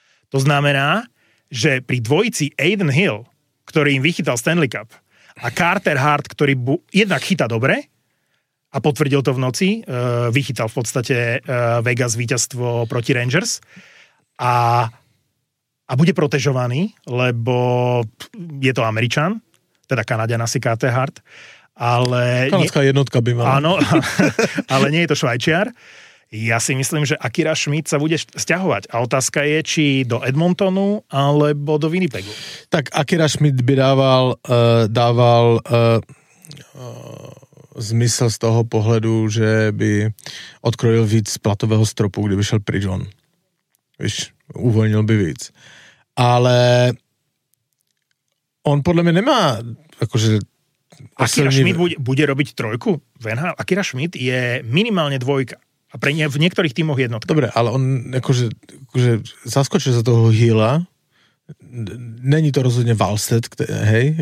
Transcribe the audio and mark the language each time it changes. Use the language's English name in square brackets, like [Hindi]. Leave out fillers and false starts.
[Slovak] To znamená, že pri dvojici Aiden Hill, ktorý im vychytal Stanley Cup, a Carter Hart, ktorý jednak chyta dobre a potvrdil to v noci, vychytal v podstate Vegas víťazstvo proti Rangers a bude protežovaný, lebo je to Američan, teda Kanaďan asi Carter Hart, ale... Kanadská jednotka by mala. Áno, ale nie je to Švajčiar. Ja si myslím, že Akira Schmidt sa bude sťahovať. A otázka je, či do Edmontonu alebo do Winnipegu. [Czech] Tak Akira Schmidt by dával zmysel z toho pohledu, že by odkrojil víc platového stropu, kdyby šel pryč on. Víš, uvolnil by víc. [Slovak] Ale on podľa mňa nemá akože... Akira Schmidt bude robiť trojku? Akira Schmidt je minimálne dvojka. A pre ne v niektorých tímoch jednotka. Dobre, ale on akože zaskočil za toho Hila. [Czech] Není to rozhodne Valstead, hej?